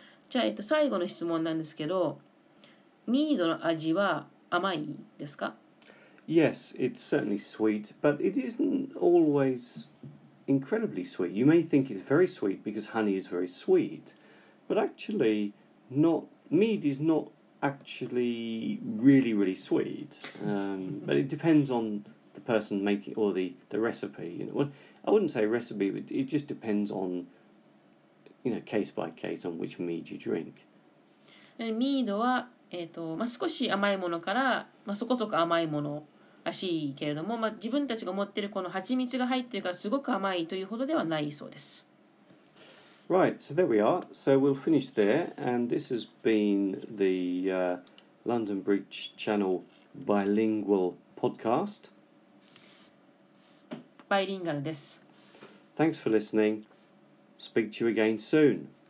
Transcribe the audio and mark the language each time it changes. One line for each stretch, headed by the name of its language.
Japanese: じゃあ、最後の質問なんですけど、ミードの味は甘いですか?
English: Yes, it's certainly sweet, but it isn't always incredibly sweet. You may think it's very sweet because honey is very sweet, but actually, mead is not actually really, really sweet. But it depends on the person making or the recipe. You know, I wouldn't say recipe, but it just depends on, you know, case by case on which mead you drink.
Japanese: And mead は少し甘いものから、そこそこ甘いものらしいけれども、自分たちが持っているこの蜂蜜が入っているからすごく甘いというほどではないそうです。
English: Right, so there we are. So we'll finish there. And this has been the London Bridge Channel Bilingual Podcast.
Japanese: バイリンガルです。
English: Thanks for listening. Speak to you again soon.